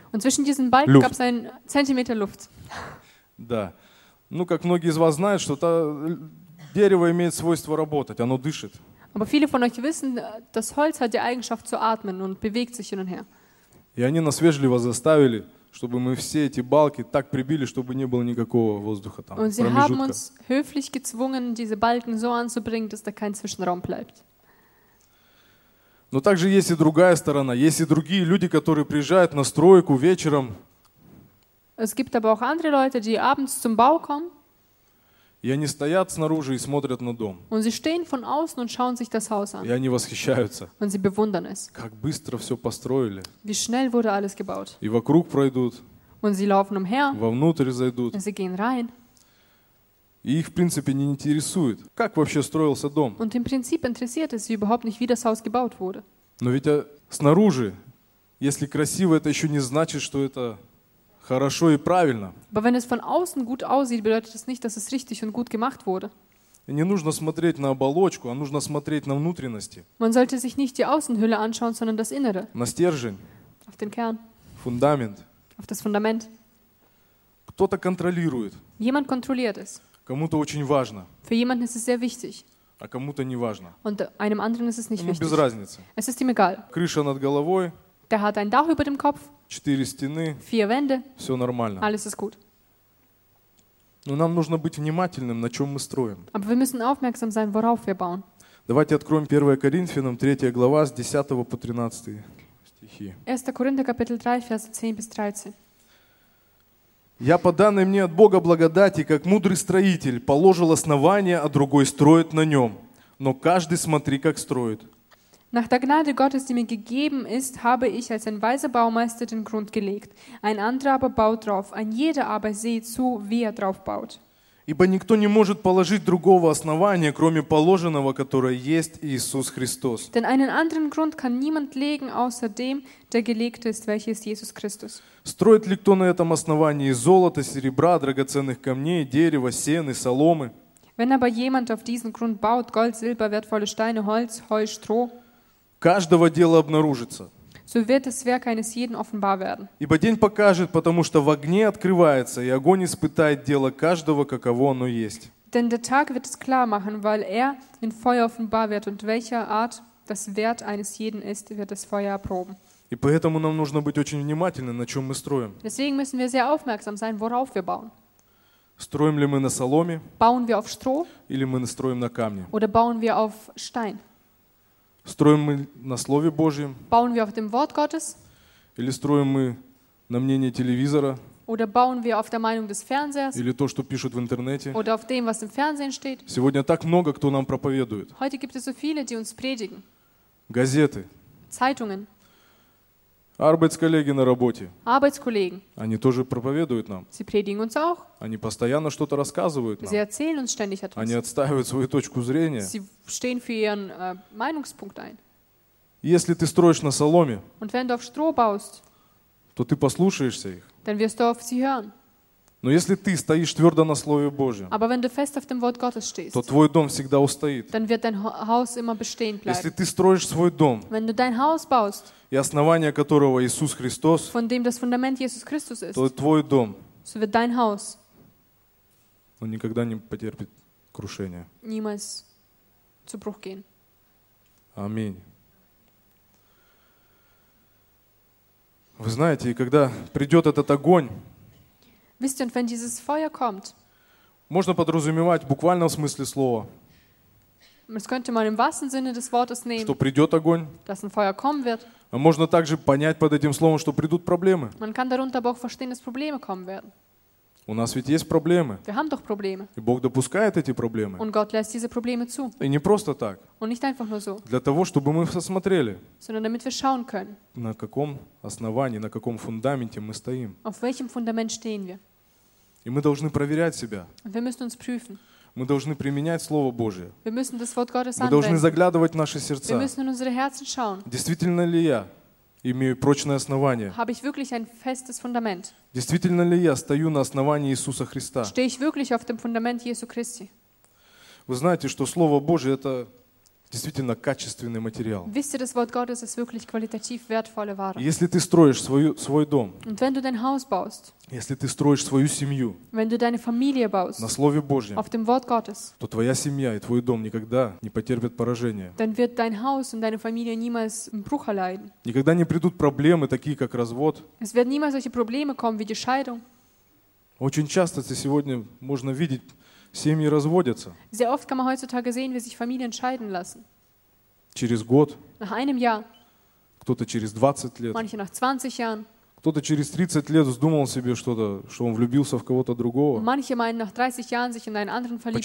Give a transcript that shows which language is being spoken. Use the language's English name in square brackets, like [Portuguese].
[German] Und zwischen diesen Balken gab es einen Zentimeter Luft. [Russian] Да. Ну, как многие из вас знают, что дерево имеет свойство работать, оно дышит. [German] Aber viele von euch wissen, das Holz hat die Eigenschaft zu atmen und bewegt sich hin und her. [Russian] И они нас вежливо заставили, чтобы мы все эти балки так прибили, чтобы не было никакого воздуха там. [German] Und sie haben uns höflich gezwungen, diese Balken so anzubringen, dass da kein Zwischenraum bleibt. [Russian] Но также есть и другая сторона, есть и другие люди, которые приезжают на стройку вечером. [German] Es gibt aber auch andere Leute, die abends zum Bau kommen. [Russian] И они стоят снаружи и смотрят на дом. [German] Und sie stehen von außen und schauen sich das Haus an. [Russian] И они восхищаются. [German] Und sie bewundern es. [Russian] Как быстро все построили. [German] Wie schnell wurde alles gebaut. [Russian] И вокруг пройдут. [German] Und sie laufen umher. [Russian] Вовнутрь зайдут. [German] Und sie gehen rein. [Russian] И их, в принципе, не интересует, как вообще строился дом. [German] Und im Prinzip interessiert es sie überhaupt nicht, wie das Haus gebaut wurde. [Russian] Но ведь снаружи, если красиво, это еще не значит, что это хорошо и правильно. [German] Aber wenn es von außen gut aussieht, bedeutet das nicht, dass es richtig und gut gemacht wurde. [Russian] И не нужно смотреть на оболочку, а нужно смотреть на внутренности. [German] Man sollte sich nicht die Außenhülle anschauen, sondern das Innere. [Russian] На стержень. [German] Auf den Kern. [Russian] Фундамент. [German] Auf das Fundament. [Russian] Кто-то контролирует. [German] Jemand kontrolliert es. [Russian] Кому-то очень важно. [German] Für jemanden ist es sehr wichtig. [Russian] А кому-то не важно. [German] Und einem anderen ist es nicht wichtig. [Russian] Без разницы. [German] Es ist ihm egal. [Russian] Крыша над головой. [German] Der hat ein Dach über dem Kopf. [Russian] 4 стены. [German] Vier Wände. [Russian] Все нормально. [German] Alles ist gut. [Russian] Но нам нужно быть внимательным, на чем мы строим. [German] Aber wir müssen aufmerksam sein, worauf wir bauen. [Russian] Давайте откроем 1 Коринфянам, 3 глава, с 10 по 13 стихи. [German] 1 Коринфянам, капитал 3, versы 10 bis 13. [Russian] Я по данной мне от Бога благодати, как мудрый строитель, положил основание, а другой строит на нем. Но каждый смотри, как строит. [German] Nach der Gnade Gottes, die mir gegeben ist, habe ich als ein weiser Baumeister den Grund gelegt. Ein anderer aber baut drauf. Ein jeder aber sieht zu, wie er drauf baut. [Russian] Ибо никто не может положить другого основания, кроме положенного, которое есть Иисус Христос. [German] Denn einen anderen Grund kann niemand legen, außer dem, der gelegt ist, welches Jesus Christus. [Russian] Строит ли кто на этом основании из золота, серебра, драгоценных камней, дерева, сены, соломы? [German] Wenn aber jemand auf diesen Grund baut, Gold, Silber, wertvolle Steine, Holz, Heu, Stroh, [Russian] каждого дела обнаружится. [German] So wird das Werk eines jeden offenbar werden. [Russian] Ибо день покажет, потому что в огне открывается, и огонь испытает дело каждого, каково оно есть. [German] Denn der Tag wird es klar machen, weil er in Feuer offenbar wird, und welcher Art das Wert eines jeden ist, wird das Feuer erproben. [Russian] И поэтому нам нужно быть очень внимательны, на чем мы строим. [German] Deswegen müssen wir sehr aufmerksam sein, worauf wir bauen. [Russian] Строим ли мы на соломе? [German] Bauen wir auf Stroh? [Russian] Или мы строим на камне? [German] Oder bauen wir auf Stein? [Russian] Строим мы на Слове Божьем? [German] Bauen wir auf dem Wort Gottes? [Russian] Или строим мы на мнение телевизора? [German] Oder bauen wir auf der Meinung des Fernsehers? [Russian] Или то, что пишут в интернете? [German] Oder auf dem, was im Fernsehen steht? [Russian] Сегодня так много, кто нам проповедует. [German] Heute gibt es so viele, die uns predigen. [Russian] Газеты. [German] Zeitungen. [Russian] Arbeitskollegen на работе. [German] Arbeitskollegen. [Russian] Они тоже проповедуют нам. [German] Sie predigen uns auch. [Russian] Они постоянно что-то рассказывают нам. [German] Sie erzählen uns ständig etwas. [Russian] Они отстаивают свою точку зрения. [German] Sie stehen für ihren Meinungspunkt ein. [Russian] Если ты строишь на соломе, [German] und wenn du auf Stroh baust, [Russian] то ты послушаешься их. [German] Dann wirst du auf sie hören. [Russian] Но если ты стоишь твердо на Слове Божьем, [German] aber wenn du fest auf dem Wort Gottes stehst, [Russian] то твой дом всегда устоит. [German] Dann wird dein Haus immer bestehen bleiben. [Russian] Если ты строишь свой дом, [German] wenn du dein Haus baust, [Russian] и основание которого Иисус Христос, [German] von dem das Fundament Jesus Christus ist, [Russian] то твой дом, [German] so wird dein Haus, [Russian] он никогда не потерпит крушения. [German] Niemals zu Bruch gehen. [Russian] Аминь. Вы знаете, когда придет этот огонь, [German] wisst ihr, wenn dieses Feuer kommt, [Russian] можно подразумевать буквально в смысле слова, [German] das könnte man im wahrsten Sinne des Wortes nehmen, [Russian] что придет огонь, [German] dass ein Feuer kommen wird. [Russian] А можно также понять под этим словом, что придут проблемы. [German] Man kann darunter aber auch verstehen, dass Probleme kommen werden. [Russian] У нас ведь есть проблемы. [German] Wir haben doch Probleme. [Russian] И Бог допускает эти проблемы. [German] Und Gott lässt diese Probleme zu. [Russian] И не просто так. [German] Und nicht einfach nur so. [Russian] Для того, чтобы мы посмотрели, [German] sondern damit wir schauen können, [Russian] на каком основании, на каком фундаменте мы стоим. [German] Auf welchem Fundament stehen wir. [Russian] И мы должны проверять себя. [German] Wir müssen uns prüfen. [Russian] Мы должны применять Слово Божие. [German] Wir müssen das Wort Gottes anwenden. [Russian] Мы должны заглядывать в наши сердца. [German] Wir müssen in unsere Herzen schauen. [Russian] Действительно ли я имею прочное основание? [German] Habe ich wirklich ein festes Fundament? [Russian] Действительно ли я стою на основании Иисуса Христа? [German] Stehe ich wirklich auf dem Fundament Jesu Christi? [Russian] Вы знаете, что Слово Божие – это действительно качественный материал. [German] Wisst ihr, das Wort Gottes ist wirklich qualitativ wertvolle Ware. [Russian] Если ты строишь свой дом, [German] und wenn du dein Haus baust, [Russian] если ты строишь свою семью, [German] wenn du deine Familie baust, [Russian] на Слове Божьем, [German] auf dem Wort Gottes, [Russian] то твоя семья и твой дом никогда не потерпят поражения. [German] Dann wird dein Haus und deine Familie niemals Bruch erleiden. [Russian] Никогда не придут проблемы, такие как развод. [German] Es werden niemals solche Probleme kommen wie die Scheidung. [Russian] Очень часто ты сегодня можно видеть, семьи разводятся. [German] Sehr oft kann man heutzutage sehen, wie sich Familien scheiden lassen. [Russian] Через год. [German] Nach einem Jahr. [Russian] Кто-то через 20 лет. [German] Manche nach 20 Jahren. [Russian] Кто-то через 30 лет вздумал себе что-то, что он влюбился в кого-то другого. [German] Manche meinen nach 30 Jahren sich in einen anderen verliebt.